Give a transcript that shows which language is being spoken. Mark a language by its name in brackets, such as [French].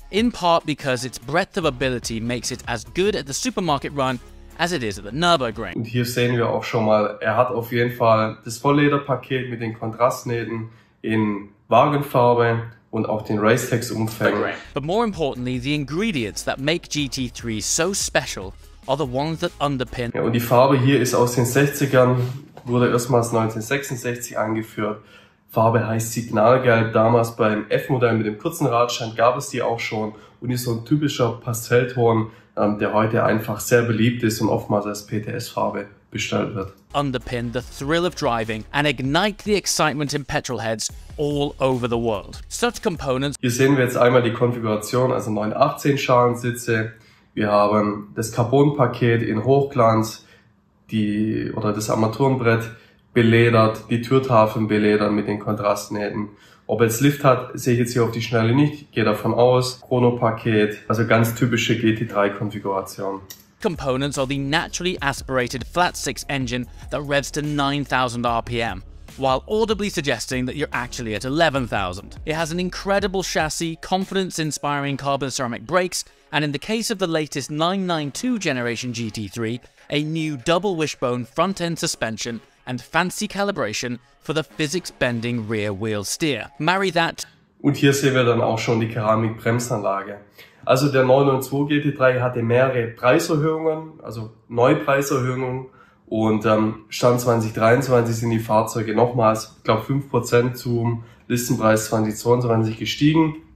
[English] In part because its breadth of ability makes it as good at the supermarket run as it is at the Nürburgring. [German] Und hier sehen wir auch schon mal, er hat auf jeden Fall das Volllederpaket mit den Kontrastnähten in Wagenfarbe und auch den Racetex-Umfang. [English] But more importantly, the ingredients that make GT3 so special are the ones that underpin. [German] Ja, und die Farbe hier ist aus den 60ern, wurde erstmals 1966 angeführt. Farbe heißt Signalgelb. Damals beim F-Modell mit dem kurzen Radstand gab es die auch schon und ist so ein typischer Pastellton, der heute einfach sehr beliebt ist und oftmals als PTS-Farbe bestellt wird. [English] Underpin the thrill of driving and ignite the excitement in petrolheads all over the world. Such components. [German] Hier sehen wir jetzt einmal die Konfiguration, also 918 Schalensitze. Wir haben das Carbon-Paket in Hochglanz, das Armaturenbrett beledert, die Türtafeln beledern mit den Kontrastnähten. Ob es Lift hat, sehe ich jetzt hier auf die Schnelle nicht, gehe davon aus. Chronopaket, also ganz typische GT3-Konfiguration. [English] Components are the naturally aspirated flat six engine that revs to 9000 RPM, while audibly suggesting that you're actually at 11,000. It has an incredible chassis, confidence-inspiring carbon ceramic brakes, and in the case of the latest 992 generation GT3, a new double wishbone front end suspension and fancy calibration for the physics bending rear wheel steer. Marry that. [German] Und hier sehen wir dann auch schon die Keramikbremsanlage. Also der 992 GT3 hatte mehrere Preiserhöhungen, also Neupreiserhöhungen. Und Stand 2023 sind die Fahrzeuge nochmals, ich glaube 5% zum Listenpreis 2022 gestiegen.